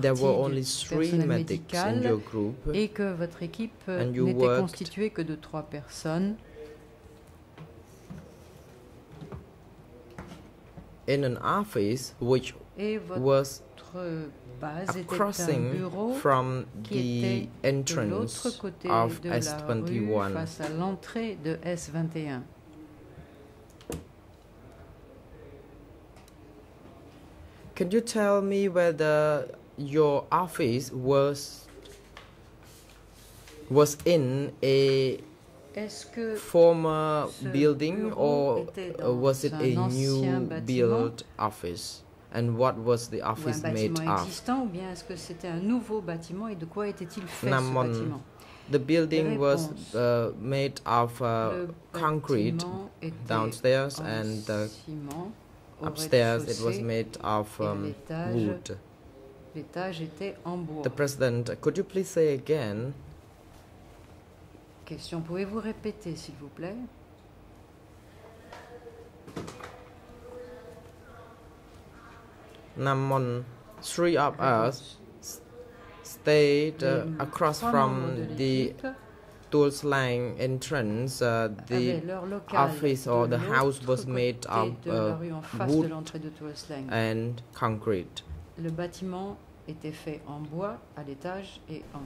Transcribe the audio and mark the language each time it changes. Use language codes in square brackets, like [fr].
[en] there were only three medics in your group. [fr] Et que votre équipe n'était constituée que de trois personnes. [en] In an office which was crossing from the entrance [fr] côté [en] of [fr] de S21. La rue face à l'entrée de S21. [en] Can you tell me whether your office was in a former building or was it a new built office? And what was the office made of? [fr] Ou bien est-ce que c'était un nouveau bâtiment et de quoi était-il fait ce bâtiment? [en] The building was made of concrete downstairs and upstairs it was made of wood. [fr] L'étage était en bois. [en] The president, could you please say again? [fr] Question, pouvez-vous répéter, s'il vous plaît? [en] Namon, three of us stayed across from the Tools Lang entrance. The office or the house was made of wood and concrete. [fr] Le bâtiment était fait en bois à l'étage et en